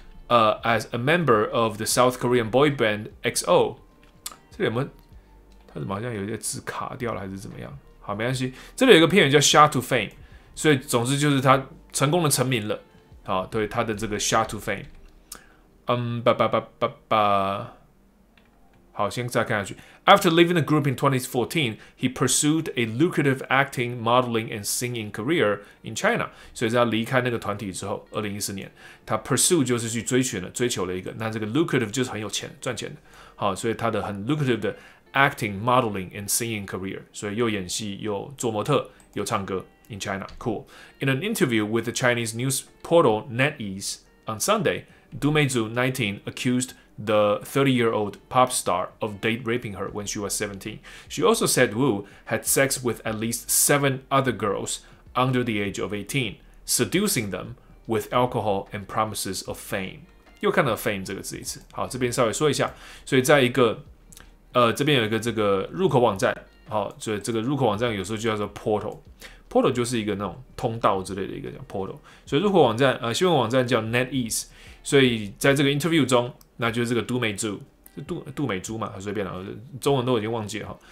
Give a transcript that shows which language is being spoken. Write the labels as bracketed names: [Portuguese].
[English] as a member of the South Korean boy band XO. [Chinese] 这里有没有？他怎么好像有一些字卡掉了，还是怎么样？好，没关系。这里有一个片语叫 [English] shot to fame， [Chinese] 所以总之就是他成功的成名了。啊，对他的这个 [English] shot to fame。 [Chinese] 好，先再看下去。 [English] After leaving the group in 2014, he pursued a lucrative acting, modeling, and singing career in China. [Chinese] 所以在他离开那个团体之后 ,2014 年他 pursue 就是去追寻了追求了一个。那这个 lucrative 就是很有钱赚钱的。好，所以他的很 lucrative 的 [English] acting, modeling, and singing career. [Chinese] 所以又演戏又做模特又唱歌 [English] in China. Cool. In an interview with the Chinese news portal NetEase on Sunday, Dumeizu 19 accused the 30-year-old pop star of date raping her when she was 17. She also said Wu had sex with at least 7 other girls under the age of 18, seducing them with alcohol and promises of fame. [Chinese] 又看到 fame 这个字一次。好，这边稍微说一下。所以在一个，这边有一个这个入口网站。好，所以这个入口网站有时候就叫做 portal。portal 就是一个那种通道之类的一个叫 portal。所以入口网站，新闻网站叫 NetEase。所以在这个 interview 中，那就是这个杜美珠嘛，随便了，中文都已经忘记了。